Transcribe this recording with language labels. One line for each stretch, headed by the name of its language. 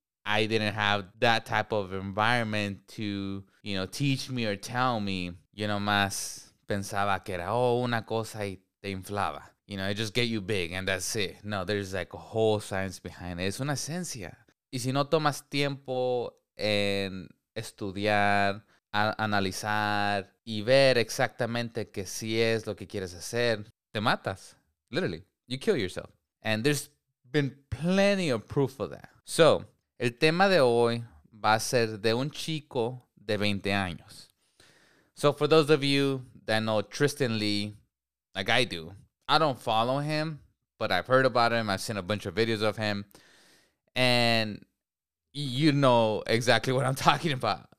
English: I didn't have that type of environment to, you know, teach me or tell me. You know,
Spanish: más pensaba que era, oh, una cosa y te inflaba.
English: You know, it just get you big and that's it. No, there's like a whole science behind it.
Spanish: Es una ciencia. Y si no tomas tiempo en estudiar, analizar y ver exactamente que si es lo que quieres hacer, te matas.
English: Literally, you kill yourself. And there's been plenty of proof of that.
Spanish: So, el tema de hoy va a ser de un chico de 20 años.
English: So, for those of you that know Tristan Lee, like I do, I don't follow him, but I've heard about him. I've seen a bunch of videos of him. And you know exactly what I'm talking about.